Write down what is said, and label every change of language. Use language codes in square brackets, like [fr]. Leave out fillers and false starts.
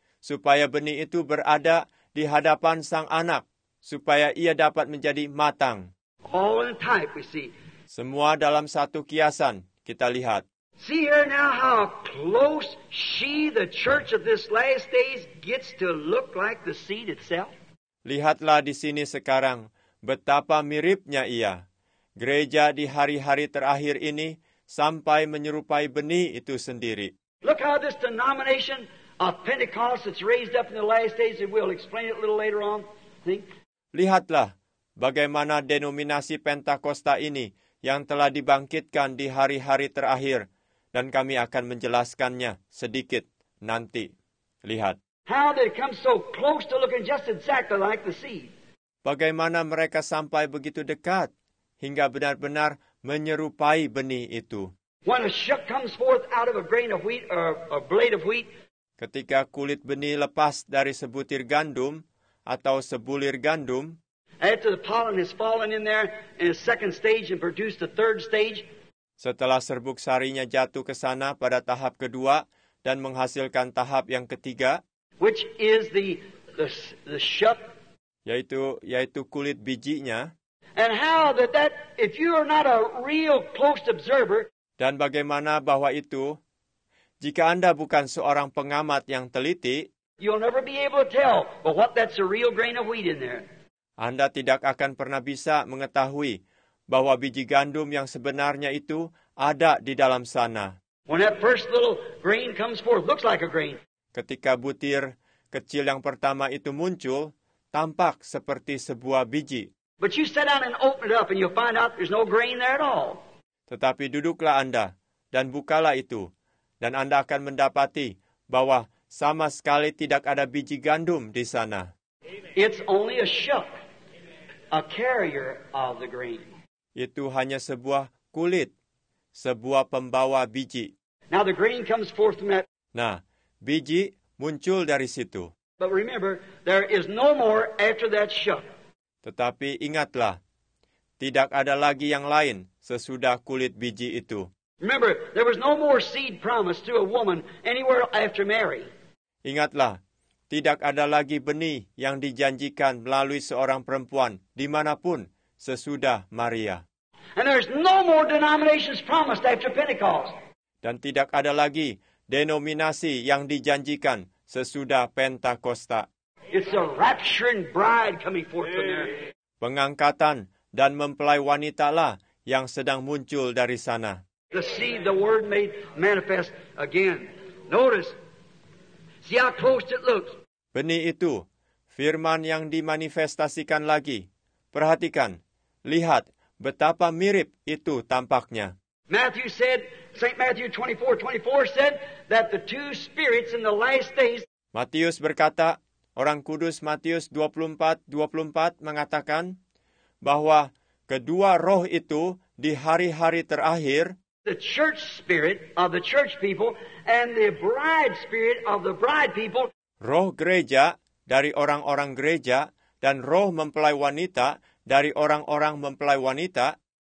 [id] Supaya benih itu berada di hadapan sang anak, supaya ia dapat menjadi matang. [en] All in type, we see. [id] Semua dalam satu kiasan, kita lihat. [en] See here now how close she, the church of this last days, gets to look like the seed itself. [id] Lihatlah di sini sekarang, betapa miripnya ia. Gereja di hari-hari terakhir ini, sampai menyerupai benih itu sendiri. [en] Look how this denomination of Pentecost that's raised up in the last days, and we'll explain it a little later on. Think. [id] Lihatlah bagaimana denominasi Pentakosta ini yang telah dibangkitkan di hari-hari terakhir, dan kami akan menjelaskannya sedikit nanti. Lihat. [en] How they come so close to looking just exactly like the seed. [id] Bagaimana mereka sampai begitu dekat hingga benar-benar menyerupai benih itu. [en] When a shuck comes forth out of a grain of wheat or a blade of wheat. [id] Ketika kulit benih lepas dari sebutir gandum atau sebulir gandum, [en] after the pollen has fallen in there in a second stage and produced a third stage, [id] setelah serbuk sarinya jatuh ke sana pada tahap kedua dan menghasilkan tahap yang ketiga, [en] which is the shuck, [id] yaitu kulit bijinya, [en] And how that if you are not a real close observer. [id] Dan bagaimana bahwa itu jika Anda bukan seorang pengamat yang teliti. [en] You'll never be able to tell, but what that's a real grain of wheat in there. [id] Anda tidak akan pernah bisa mengetahui bahwa biji gandum yang sebenarnya itu ada di dalam sana. [en] When that first little grain comes forth, looks like a grain. [id] Ketika butir kecil yang pertama itu muncul, tampak seperti sebuah biji. [en] But you sit down and open it up and you'll find out there's no grain there at all. [id] Tetapi duduklah Anda dan bukalah itu dan Anda akan mendapati bahwa sama sekali tidak ada biji gandum di sana. [en] It's only a shuck, a carrier of the grain. [id] Itu hanya sebuah kulit, sebuah pembawa biji. [en] Now the grain comes forth from that. [id] Nah, biji muncul dari situ. [en] But remember, there is no more after that shuck. [id] Tetapi ingatlah, tidak ada lagi yang lain sesudah kulit biji itu. [en] Remember, there was no more seed promised to a woman anywhere after Mary. [id] Ingatlah, tidak ada lagi benih yang dijanjikan melalui seorang perempuan dimanapun sesudah Maria. [en] And there's no more denominations promised after Pentecost. [id] Dan tidak ada lagi denominasi yang dijanjikan sesudah Pentakosta. [en] It's a rapturing bride coming forth from there. [id] Pengangkatan dan mempelai wanitalah yang sedang muncul dari sana. [en] The seed, the word made manifest again. Notice. See how close it looks. [id] Benih itu, firman yang dimanifestasikan lagi. Perhatikan, lihat betapa mirip itu tampaknya. [en] Matthew said, St. Matthew 24:24 said that the two spirits in the last days. [id] Matius berkata, orang kudus Matius 24:24 mengatakan bahwa kedua roh itu di hari-hari terakhir. [en] The church spirit of the church people and the bride spirit of the bride people. [id] Roh gereja dari orang-orang gereja dan roh mempelai wanita dari orang-orang mempelai wanita.